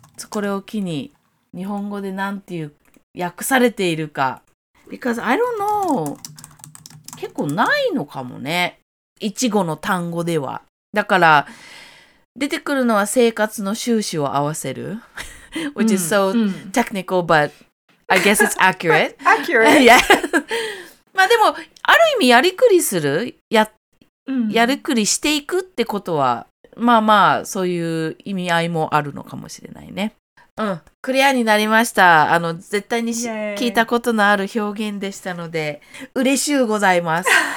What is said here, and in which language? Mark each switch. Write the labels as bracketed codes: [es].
[ja] これを機に日本語でなんていう訳されているか。 [en] Because I don't know. [ja] 結構ないのかもね。一語の単語では。だから、出てくるのは生活の収支を合わせる。 [en] Which is so technical, but I guess it's accurate. accurate. Yeah. [ja] まあでも、ある意味やりくりする。やりくりしていくってことは、まあまあ、そういう意味合いもあるのかもしれないね。うん。クリアになりました。絶対に、Yay. 聞いたことのある表現でしたので、嬉しゅうございます。